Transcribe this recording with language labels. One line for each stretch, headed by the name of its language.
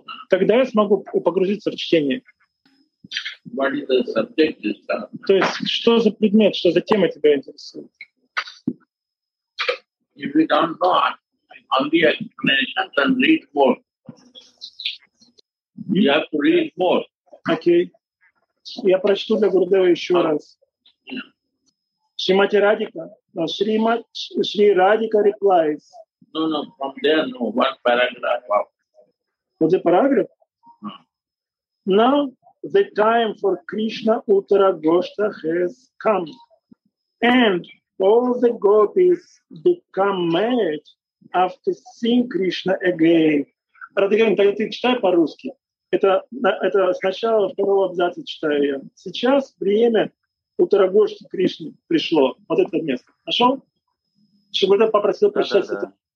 Russian: Тогда я смогу погрузиться в чтение.
English: What is the subject,
Russian: то есть, что за предмет, что за тема тебя интересует?
English: If you don't know, on the explanation, then read more. You have to read more. Okay.
Russian: Я прочту для Гурудева еще раз.
English: Шримати Радика, Шри Радика replies. No, from there, no, one paragraph.
Russian: Вот и параграф.
English: Now the time for Krishna Uttara Goshta has come. And all the gopis become mad after seeing Krishna again.
Russian: Радикан, тогда ты читай по-русски. Это сначала второго абзаца читаю я. Сейчас время Утарагошти Кришны пришло. Вот это место. Нашел? Шибурда попросил прочитать это.